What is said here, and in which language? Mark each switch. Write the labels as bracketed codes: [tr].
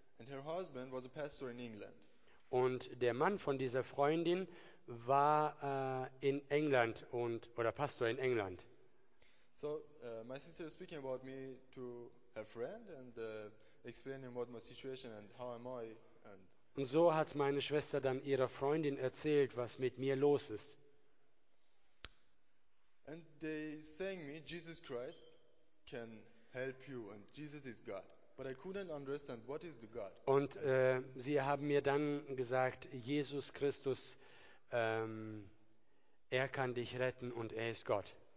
[en] And her husband was a pastor in England. [de] Und der Mann von dieser Freundin war in England oder Pastor in England. [en] So, my sister was speaking about me to her friend and explaining what my situation and how am I. And [de] so hat meine Schwester dann ihrer Freundin erzählt, was mit mir los ist. [en] And they sang me, Jesus Christ can help you and Jesus is God. But I couldn't understand what is the God. [de] Und sie haben mir dann gesagt, Jesus Christus, er kann dich retten und er ist Gott.